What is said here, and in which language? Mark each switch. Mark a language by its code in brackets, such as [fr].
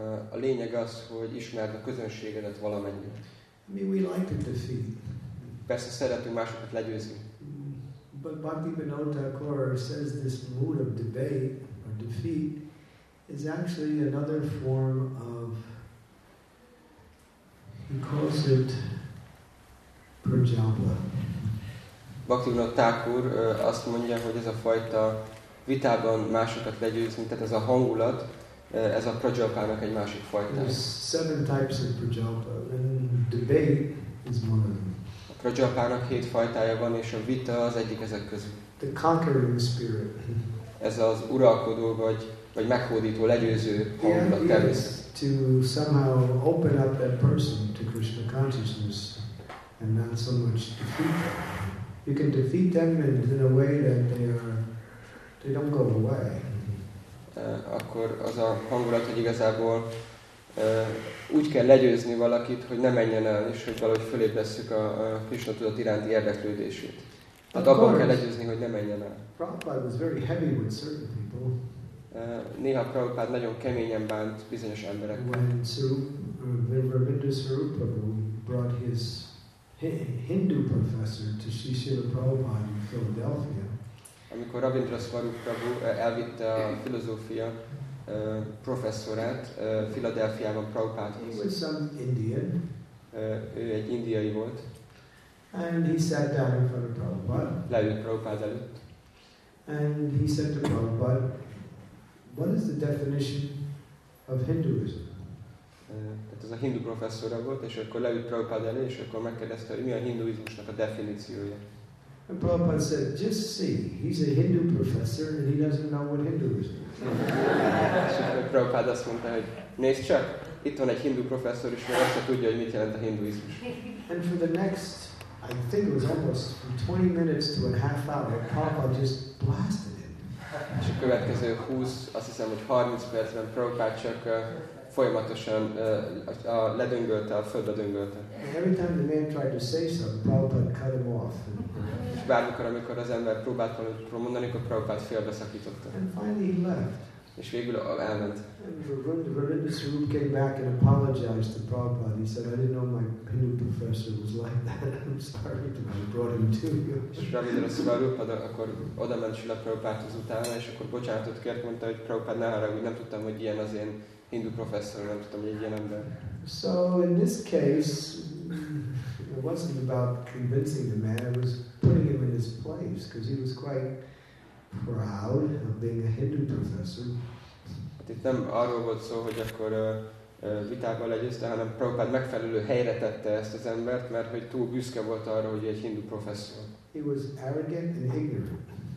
[hu] A lényeg az, hogy ismerd a közönségedet valamennyit. [en] I mean, we like to defeat. [hu] Persze szeretünk másokat legyőzni. [en] But Bhaktivinoda Thakura says this mood of debate or defeat is actually another form of, he calls it Prajapati. [hu] Bhaktivinoda Thakur azt mondja, hogy ez a fajta vitában másokat legyőzni, tehát ez a hangulat, ez a Prajapának egy másik fajta. [en] There's seven types of Prajapati, and debate is one of them. [hu] A Prajapának hét fajtája van, és a vita az egyik ezek közül. [en] The conquering spirit. [hu] Ez az uralkodó, vagy meghódító, legyőző hangulat természet. [en] To somehow open up that person to Krishna consciousness. And not so much defeat them. You can defeat them in a way that they don't go away. [hu] Akkor az a hangulat, hogy igazából úgy kell legyőzni valakit, hogy ne menjen el, és hogy valahogy fölébresszük a Krishna tudat iránti érdeklődését. Hát abban kell legyőzni, hogy ne menjen el. [en] Prabhupada was very heavy with certain people. [hu] Néha Prabhupada nagyon keményen bánt bizonyos emberek. [en] When Ravindra Sarupa brought his Hindu professor to Sri Srila Prabhupada in Philadelphia. [hu] Amikor Ravindra Swarup Prabhu elvitte a filozófia professzorát Philadelphiában Prabhupádhoz. [en] He was some Indian. [hu] Ő egy indiai volt. [en] And he sat down in front of Prabhupada. [hu] Leült Prabhupád előtt. [en] And he said to Prabhupada, what is the definition of Hinduism? [hu] Tehát ez a hindu professzora volt, és akkor leült Prabhupád elé, és akkor megkérdezte, hogy mi a hinduizmusnak a definíciója. [en] And Prabhupád said, just see, he's a hindu professor, and he doesn't know what hinduism. [hu] És Prabhupád azt mondta, hogy nézd csak, itt van egy hindu professzor, és meg azt tudja, hogy mit jelent a hinduizmus. [en] And for the next, I think it was almost from 20 minutes to a half hour, Prabhupád just blasted it. [hu] És a következő 20, azt hiszem, hogy 30 percben Prabhupád csak folyamatosan a ledöngölte, a földre döngölte. [en] Every time the man tried to say something, Prabhupada cut him off. [hu] És bármikor, amikor az ember próbált mondani, akkor Prabhupada félbeszakította. [en] And finally he left. [hu] És végül elment. [en] Varindasarup came back and apologized to Prabhupada. He said, I didn't know my Hindu professor was like that. I'm sorry to brought him to you. [hu] És Varindasarup akkor odament Srila Prabhupádhoz utána, és akkor bocsánatot kért, mondta, hogy Prabhupada, ne haragudj, nem tudtam, hogy ilyen az én Hindu professzor, nem tudtam, hogy egy ilyen ember. [en] So in this case, it wasn't about convincing the man, it was putting him in his place, because he was quite proud of being a Hindu professor. [hu] Hát itt nem arról volt szó, hogy akkor vitában legyőzte, hanem Prabhupád megfelelő helyre tette ezt az embert, mert hogy túl büszke volt arra, hogy egy Hindu professzor. [en] He was arrogant and ignorant.